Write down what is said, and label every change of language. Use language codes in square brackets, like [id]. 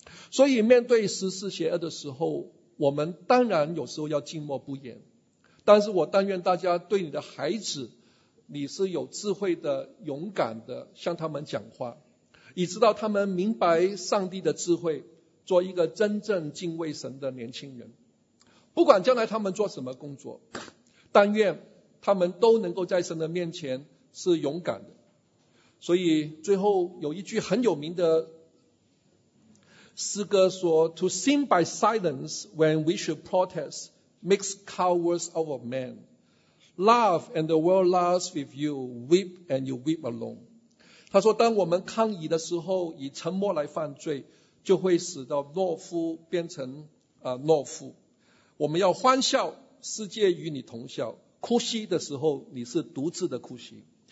[zh] 所以面对时事邪恶的时候，我们当然有时候要静默不言，但是我但愿大家对你的孩子你是有智慧的，勇敢的向他们讲话，以直到他们明白上帝的智慧，做一个真正敬畏神的年轻人。不管将来他们做什么工作，但愿他们都能够在神的面前是勇敢的。所以最后有一句很有名的诗歌说 [en] ，To sin by silence when we should protest makes cowards of men. Laugh and the world laughs with you. Weep and you weep alone. [zh] 他说，当我们抗议的时候，以沉默来犯罪，就会使得懦夫变成懦夫。我们要欢笑，世界与你同笑。哭泣的时候，你是独自的哭泣。